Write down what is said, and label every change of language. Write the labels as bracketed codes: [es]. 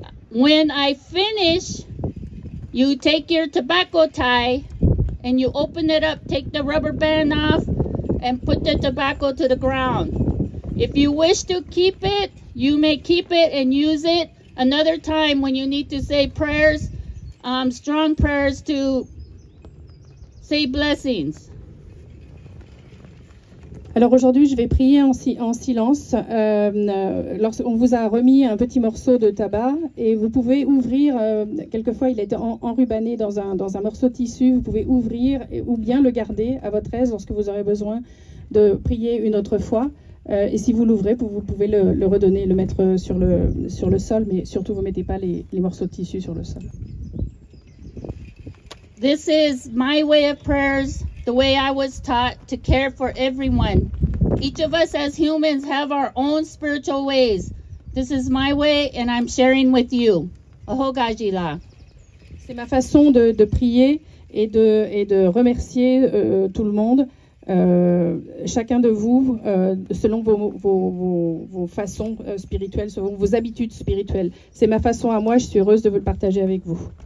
[en] When I finish, you take your tobacco tie and you open it up, take the rubber band off, and put the tobacco to the ground. If you wish to keep it, you may keep it and use it another time when you need to say prayers, strong prayers to say blessings. [fr] Alors aujourd'hui, je vais prier en silence. On vous a remis un petit morceau de tabac et vous pouvez ouvrir, quelquefois il est enrubanné dans un morceau de tissu, vous pouvez ouvrir ou bien le garder à votre aise lorsque vous aurez besoin de prier une autre fois. Et si vous l'ouvrez, vous pouvez le redonner, le mettre sur le sol, mais surtout vous ne mettez pas les morceaux de tissu sur le sol. [en] This is my way of prayers. The way I was taught to care for everyone. Each of us as humans have our own spiritual ways. This is my way and I'm sharing with you. Ahogajila. [fr] C'est ma façon de prier et de remercier tout le monde, chacun de vous, selon vos façons spirituelles, selon vos habitudes spirituelles. C'est ma façon à moi, je suis heureuse de vous le partager avec vous.